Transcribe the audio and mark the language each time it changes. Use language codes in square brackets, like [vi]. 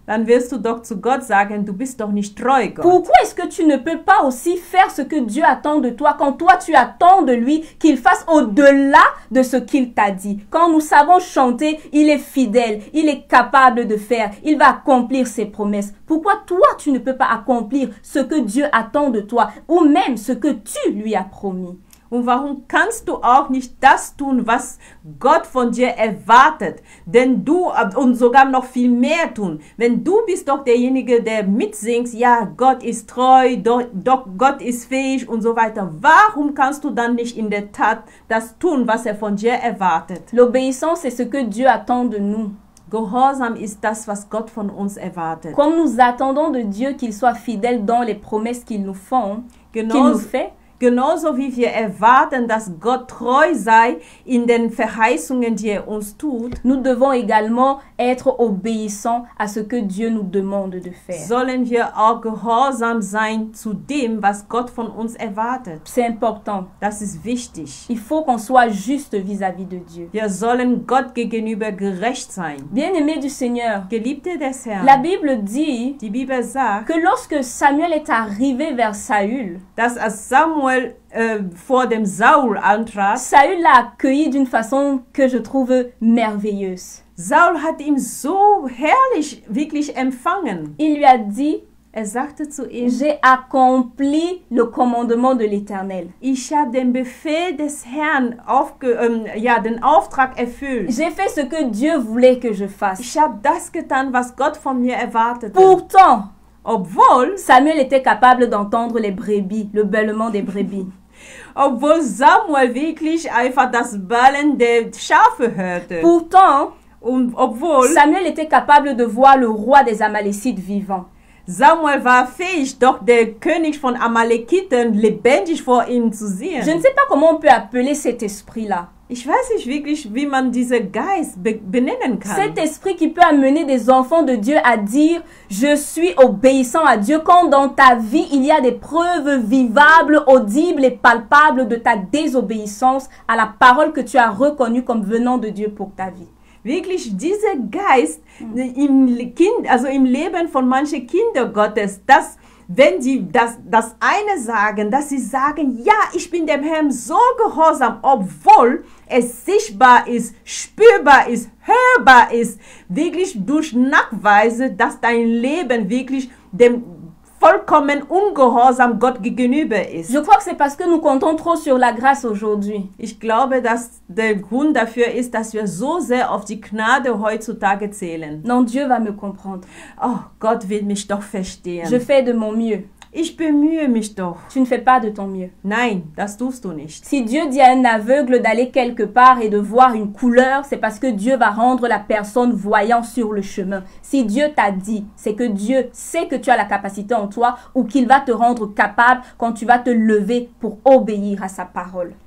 [de] Dann wirst du doch zu Gott sagen, du bist doch nicht treu, Gott. [fr] Pourquoi est-ce que tu ne peux pas aussi faire ce que Dieu attend de toi, quand toi tu attends de lui qu'il fasse au-delà de ce qu'il t'a dit? Quand nous savons chanter, il est fidèle, il est capable de faire, il va accomplir ses promesses. Pourquoi toi tu ne peux pas accomplir ce que Dieu attend de toi, ou même ce que tu lui as promis? [de] Und warum kannst du auch nicht das tun, was Gott von dir erwartet? Denn du, und sogar noch viel mehr tun. Wenn du bist doch derjenige, der mitsingst, ja, Gott ist treu, doch Gott ist fähig und so weiter. Warum kannst du dann nicht in der Tat das tun, was er von dir erwartet? [fr] L'obéissance est ce que Dieu attend de nous. [de] Gehorsam ist das, was Gott von uns erwartet. [fr] Comme nous attendons de Dieu qu'il soit fidèle dans les promesses qu'il nous font, [de] genauso wie wir erwarten, dass Gott treu sei in den Verheißungen, die er uns tut, [fr] nous devons également être obéissants à ce que Dieu nous demande de faire. [de] Sollen wir auch gehorsam sein zu dem, was Gott von uns erwartet? [fr] C'est important. [de] Das ist wichtig. [fr] Il faut qu'on soit juste vis-à-vis de Dieu. [de] Wir sollen Gott gegenüber gerecht sein. [fr] Bien-aimés du Seigneur, [de] Geliebte des Herrn, [fr] la Bible dit, [de] die Bibel sagt, [fr] que lorsque Samuel est arrivé vers Saül, [de] dass als Samuel vor dem Saul antrat, [fr] Saül l'a accueilli d'une façon que je trouve merveilleuse. [de] Saul hat ihn so herrlich wirklich empfangen. [fr] Il lui a dit, [de] er sagte zu ihm, [fr] j'ai accompli le commandement de l'Éternel. [de] Ich habe den Befehl des Herrn den Auftrag erfüllt. [fr] J'ai fait ce que Dieu voulait que je fasse. [de] Ich habe das getan, was Gott von mir erwartete. [fr] Pourtant, [de] obwohl [fr] Samuel était capable d'entendre les brebis, le bêlement des brebis. [de] Obwohl Samuel wirklich einfach das Bellen der Schafe hörte. [fr] Pourtant, [de] und obwohl [fr] Samuel était capable de voir le roi des Amalécites vivant. [de] Samuel war fähig, doch der König von Amalekiten lebendig vor ihm zu sehen. [fr] Je ne sais pas comment on peut appeler cet esprit-là. [de] Ich weiß nicht wirklich, wie man diesen Geist benennen kann. [fr] Cet esprit qui peut amener des enfants de Dieu à dire, je suis obéissant à Dieu, quand dans ta vie, il y a des preuves vivables, audibles et palpables de ta désobéissance à la parole que tu as reconnue comme venant de Dieu pour ta vie. [de] Wirklich dieser Geist im Leben von manchen Kinder Gottes, dass wenn die das eine sagen, dass sie sagen, ja, ich bin dem Herrn so gehorsam, obwohl es sichtbar ist, spürbar ist, hörbar ist, wirklich durch Nachweise, dass dein Leben wirklich dem vollkommen ungehorsam Gott gegenüber ist. [fr] Je crois que c'est parce que nous comptons trop sur la grâce aujourd'hui. [de] Ich glaube, dass der Grund dafür ist, dass wir so sehr auf die Gnade heutzutage zählen. [fr] Non, Dieu va me comprendre. [de] Oh, Gott wird mich doch verstehen. [fr] Je fais de mon mieux. [de] Ich bemühe mich doch. [fr] Tu ne fais pas de ton mieux. [de] Nein, das tust du nicht. [fr] Si Dieu dit à un aveugle d'aller quelque part et de voir une couleur, c'est parce que Dieu va rendre la personne voyant sur le chemin. Si Dieu t'a dit, c'est que Dieu sait que tu as la capacité en toi ou qu'il va te rendre capable quand tu vas te lever pour obéir à sa parole.